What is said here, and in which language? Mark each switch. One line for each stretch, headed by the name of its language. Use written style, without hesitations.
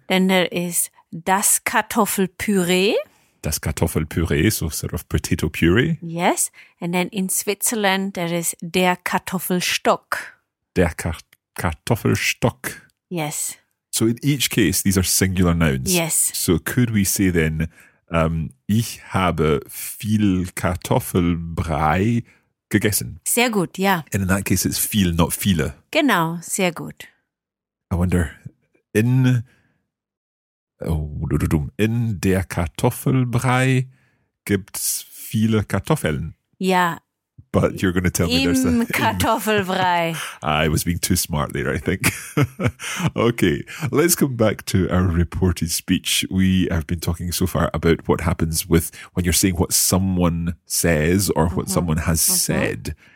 English: Then there is das Kartoffelpüree. Das Kartoffelpüree, so sort of potato puree. Yes. And then in Switzerland, there is der Kartoffelstock.
German: Der Kartoffelstock.
English: Yes. So in each case, these are singular nouns. Yes. So could we say then,
German: ich habe viel Kartoffelbrei gegessen? Sehr gut, ja.
English: And in that case, it's viel, not viele.
German: Genau, sehr gut.
English: I wonder,
German: in der Kartoffelbrei gibt's viele Kartoffeln? Ja.
English: but you're going to tell me there's a...
German: Im Kartoffelbrei.
English: I was being too smart there, I think. Okay, let's come back to our reported speech. We have been talking so far about what happens with when you're saying what someone says or what someone has said.